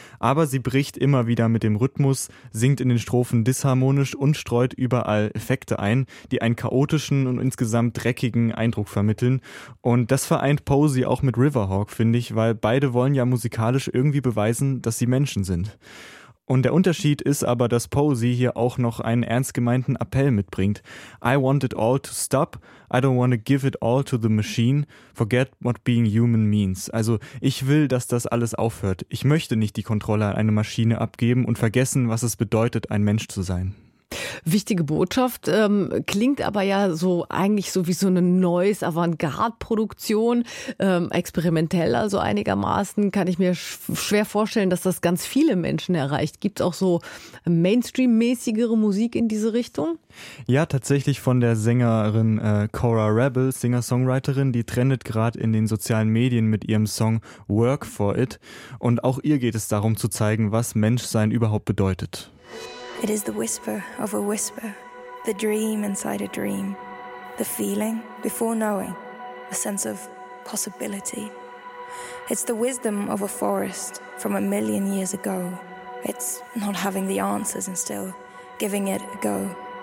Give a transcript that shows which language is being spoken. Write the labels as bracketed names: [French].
[German] Aber sie bricht immer wieder mit dem Rhythmus, singt in den Strophen disharmonisch und streut überall Effekte ein, die einen chaotischen und insgesamt dreckigen Eindruck vermitteln. Und das vereint Posey auch mit Riverhawk, finde ich, weil beide wollen ja musikalisch irgendwie beweisen, dass sie Menschen sind. Und der Unterschied ist aber, dass Posey hier auch noch einen ernst gemeinten Appell mitbringt. [English] I want it all to stop. I don't want to give it all to the machine. Forget what being human means. [German] Also ich will, dass das alles aufhört. Ich möchte nicht die Kontrolle an eine Maschine abgeben und vergessen, was es bedeutet, ein Mensch zu sein. wichtige Botschaft, klingt aber ja so eigentlich so wie so eine neues Avantgarde-Produktion, experimentell also einigermaßen, kann ich mir schwer vorstellen, dass das ganz viele Menschen erreicht. Gibt es auch so Mainstream-mäßigere Musik in diese Richtung? Ja, tatsächlich von der Sängerin Cora Rebel, Singer-Songwriterin, die trendet gerade in den sozialen Medien mit ihrem Song Work for It. Und auch ihr geht es darum zu zeigen, was Menschsein überhaupt bedeutet. [English] It is the whisper of a whisper, the dream inside a dream, the feeling before knowing, a sense of possibility. It's the wisdom of a forest from a million years ago. It's not having the answers and still giving it a go.